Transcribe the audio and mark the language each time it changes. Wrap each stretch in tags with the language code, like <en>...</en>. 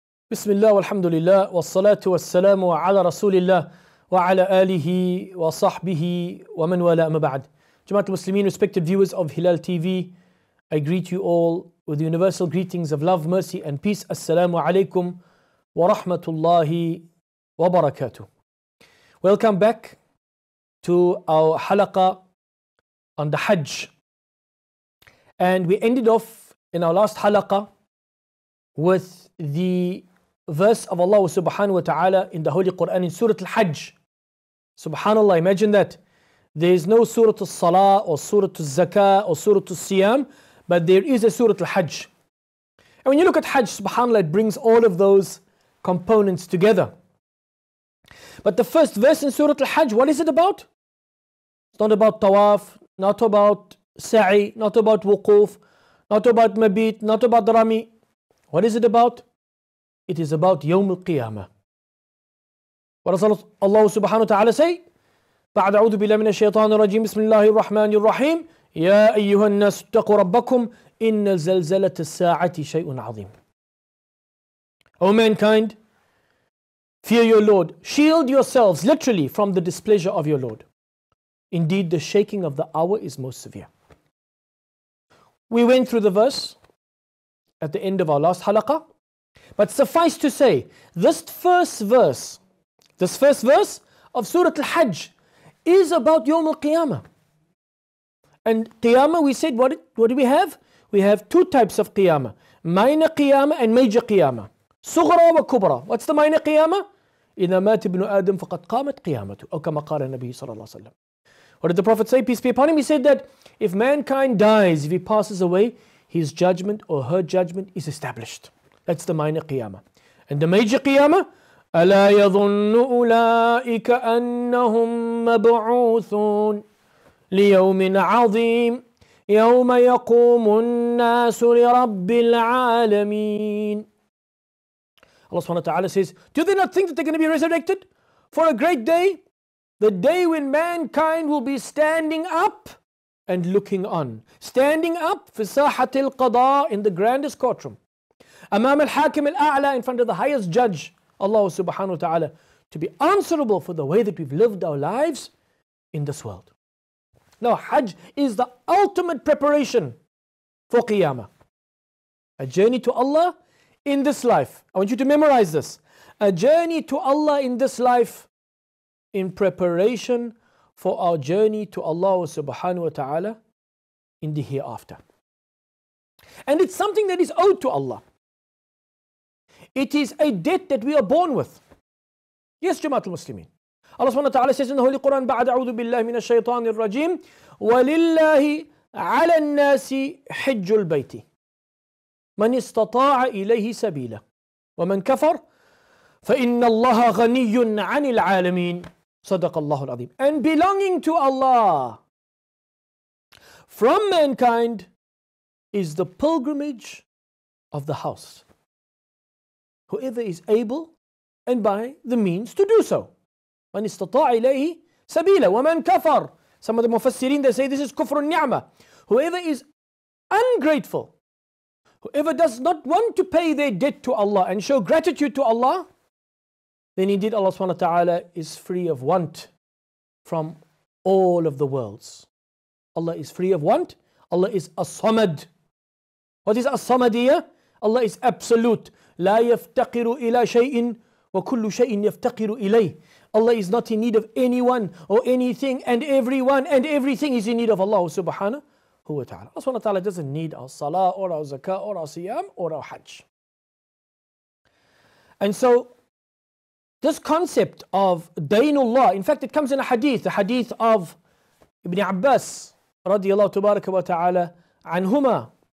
<ar>بسم الله والحمد لله والصلاة والسلام على رسول الله وعلى آله وصحبه ومن والاه أما بعد. جماعة المسلمين,</ar> <en>respected viewers of Hilal TV, I greet you all with the universal greetings of love, mercy and peace.</en> <ar>Assalamu alaikum wa rahmatullahi wa barakatuh.</ar> <en>Welcome back to our halaqa on the Hajj. And we ended off in our last halaqa with the verse of Allah subhanahu wa ta'ala in the Holy Quran in Surah Al-Hajj. Subhanallah, imagine that. There is no Surah Al-Salah or Surah Al-Zakah or Surah Al-Siyam, but there is a Surah Al-Hajj. And when you look at Hajj, subhanallah, it brings all of those components together. But the first verse in Surah Al-Hajj, what is it about? It's not about tawaf, not about sa'i, not about wukuf, not about mabit, not about rami. What is it about? It is about Yawm Al-Qiyamah. What does Allah subhanahu wa ta'ala say?</en> <ar>بعد أعوذ بالله من الشيطان الرجيم بسم الله الرحمن الرحيم يا أيها الناس اتقوا ربكم إن زلزلة الساعة شيء عظيم.</ar> <en>O mankind, fear your Lord. Shield yourselves literally from the displeasure of your Lord. Indeed, the shaking of the hour is most severe. We went through the verse at the end of our last halaqah. But suffice to say, this first verse of Surah Al-Hajj is about Yawm Al-Qiyamah. And Qiyamah, we said, what do we have? We have two types of Qiyamah, Minor Qiyamah and Major Qiyamah.</en> <ar>Sughra wa Kubra.</ar> <en>What's the Minor Qiyamah?</en> <ar>إِذَا مَاتِ ابْنُ آدَمْ فَقَدْ قَامَتْ قِيَامَتُ أَوْ كَمَا قَالَ النَّبِيُّ صَلَى اللَّهُ عَلَيْهِ وَسَلَّمَ.</ar> <en>What did the Prophet say, peace be upon him? He said that if mankind dies, if he passes away, his judgment or her judgment is established. That's the minor qiyamah. And the major qiyamah,</en> <ar>أَلَا يَظُنُّ أُولَٰئِكَ أَنَّهُمْ مَبْعُوثُونَ لِيَوْمٍ عَظِيمٍ يَوْمَ يَقُومُ النَّاسُ لِرَبِّ الْعَالَمِينَ.</ar> <en>Allah subhanahu wa ta'ala says, do they not think that they're going to be resurrected for a great day? The day when mankind will be standing up and looking on. Standing up,</en> <ar>فِي سَاحَةِ الْقَضَاءِ,</ar> <en>in the grandest courtroom.</en> <ar>أمام الحاكم الأعلى,</ar> <en>in front of the highest judge, Allah subhanahu wa ta'ala, to be answerable for the way that we've lived our lives in this world. Now, Hajj is the ultimate preparation for Qiyamah. A journey to Allah in this life. I want you to memorize this. A journey to Allah in this life in preparation for our journey to Allah subhanahu wa ta'ala in the hereafter. And it's something that is owed to Allah. It is a debt that we are born with. Yes, Jamaat al-Muslimin. Allah subhanahu wa ta'ala says in the Holy Quran,</en> <ar>بعد أعوذ بالله من الشيطان الرجيم ولله على الناس حج البيت من استطاع إليه سبيلا ومن كفر فإن الله غني عن العالمين صدق الله العظيم.</ar> <en>And belonging to Allah from mankind is the pilgrimage of the house. Whoever is able and by the means to do so.</en> <ar>من استطاع إليه سبيلا ومن كفر.</ar> <en>Some of the Mufassirin, they say this is kufr al-ni'ma. Whoever is ungrateful, whoever does not want to pay their debt to Allah and show gratitude to Allah, then indeed Allah subhanahu wa ta'ala is free of want from all of the worlds. Allah is free of want. Allah is as-samad. What is as-samad here? Allah is absolute.</en> <ar>لا يفتقر إلى شيء وكل شيء يفتقر إليه.</ar> <en>Allah is not in need of anyone or anything, and everyone and everything is in need of Allah subhanahu wa ta'ala. Allah subhanahu wa ta'ala doesn't need our salah or our zakah or our siyam or our hajj. And so this concept of daynullah, in fact it comes in a hadith, the hadith of Ibn Abbas radiallahu tabaraka wa ta'ala anhuma.</en>